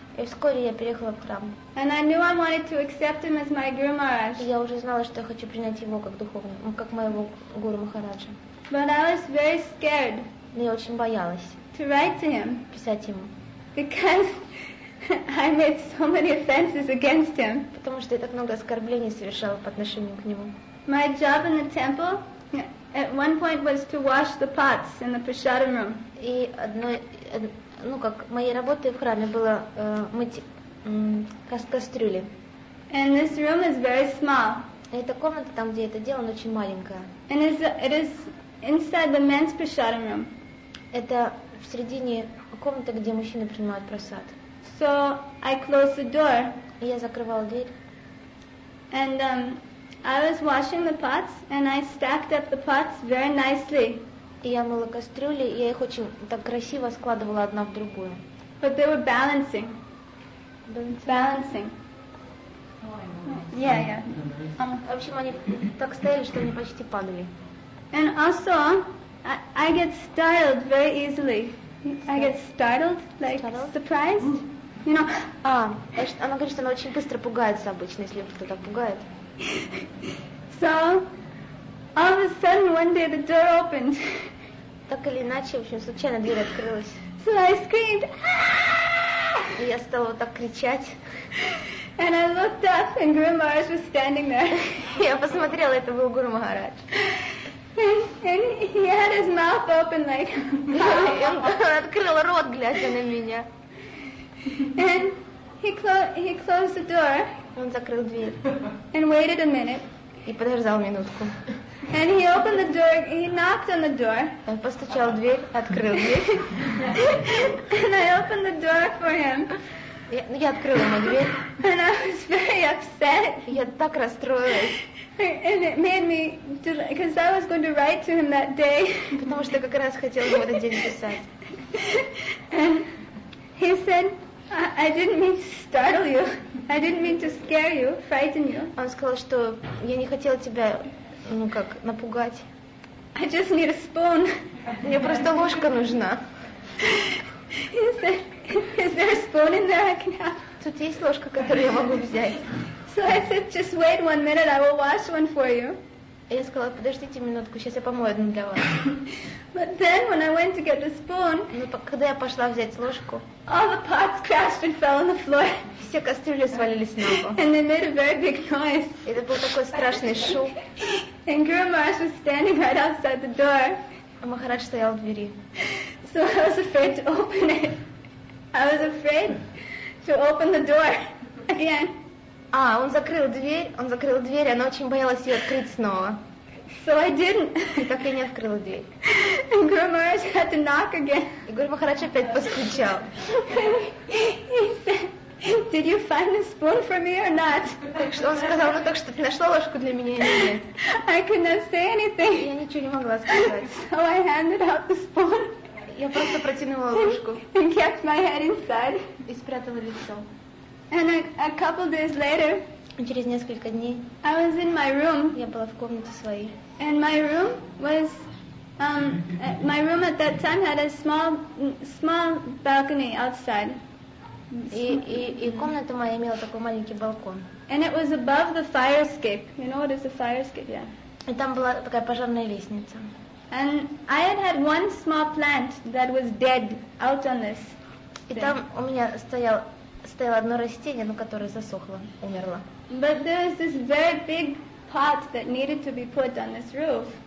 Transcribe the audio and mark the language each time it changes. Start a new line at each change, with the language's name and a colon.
Russian: И вскоре я переехала в храм.
English: And I knew I wanted to accept him as my Guru Maharaj.
Russian: И я уже знала, что я хочу принять его как духовного, как моего Гуру Махараджа.
English: But I was very scared.
Russian: Но я очень боялась.
English: To write to him.
Russian: Писать ему.
English: Because I made so many offenses against him.
Russian: Потому что я так много оскорблений совершала по отношению к нему.
English: My job in the temple at one point was to wash the pots in the prasadam room.
Russian: И одной, ну как, моей работой в храме было мыть кастрюли.
English: And this room is very small.
Russian: Эта комната там, где это делано, очень маленькая.
English: And it is inside the men's prasadam room.
Russian: Это в середине комнаты, где мужчины принимают прасад.
English: So I closed the door.
Russian: Я закрывала дверь.
English: And I was washing the pots, and I stacked up the pots very nicely.
Russian: Я мыла кастрюли, и я их очень так красиво складывала одна в другую.
English: But they were balancing. Balancing. Yeah.
Russian: В общем, они так стояли, что они почти падали.
English: And also, I get startled very easily. I get startled, like surprised. You know,
Russian: она говорит, что она очень быстро пугается обычно, если кто-то так пугает.
English: So, all of a sudden, one day the door opened.
Russian: Так или иначе, в общем, случайно дверь открылась.
English: So I screamed.
Russian: И я стала вот так кричать.
English: And I looked up, and Guru Maharaj was standing there.
Russian: Я посмотрела, это был Гуру Махарадж.
English: And he had his mouth open like.
Russian: Он открыл рот, глядя на меня.
English: And he closed the door.
Russian: Он закрыл дверь.
English: And waited a minute.
Russian: И подождал минутку.
English: And he opened the door. He knocked on the door.
Russian: Он постучал в дверь, открыл дверь.
English: And I opened the door for him.
Russian: Я открыла ему дверь.
English: And I was very upset.
Russian: Я так расстроилась.
English: And it made me, because I was going to write to him that day.
Russian: Потому что как раз хотела ему этот день писать.
English: And he said, I didn't mean to startle you. I didn't mean to scare you, frighten you.
Russian: Он сказал, что я не хотела тебя, ну как, напугать.
English: I just need a spoon.
Russian: Мне просто ложка нужна.
English: Is there a spoon in there I can have?
Russian: Тут есть ложка, которую я могу взять.
English: So I said, just wait 1 minute, I will wash one for you.
Russian: Я сказала, подождите минутку, сейчас я помою одну для вас.
English: But then when I went to get the spoon,
Russian: ну когда я пошла взять ложку,
English: all the pots crashed and fell on the floor.
Russian: Все кастрюли свалились на пол.
English: And they made a very big noise.
Russian: Это был такой страшный шум.
English: And Guru Maharaj was standing right outside the door.
Russian: А Махарадж стоял в двери.
English: So I was afraid to open it. I was afraid to open the door again.
Russian: А, он закрыл дверь, она очень боялась ее открыть снова.
English: So I didn't.
Russian: И так и не открыла дверь.
English: And Guru Maharaj had to knock again.
Russian: И Гуру Махарадж опять постучал.
English: Did you find a spoon for me or not?
Russian: Что он сказал, ну так что ты нашла ложку для меня или нет?
English: I could not say anything.
Russian: Я ничего не могла сказать.
English: So I handed out the spoon.
Russian: Я просто протянула ложку.
English: And kept my head inside.
Russian: И спрятала лицо.
English: And a couple days later,
Russian: через несколько дней,
English: I was in my room.
Russian: Я была в комнате своей.
English: And my room was, my room at that time had a small balcony outside.
Russian: И комната моя имела такой маленький балкон.
English: And it was above the fire escape. You know what is a fire escape? Yeah.
Russian: И там была такая пожарная лестница.
English: And I had one small plant that was dead out on this.
Russian: И там у меня стояло одно растение, но которое засохло, умерло.
English: But there was this very big pot that needed to be put on this roof.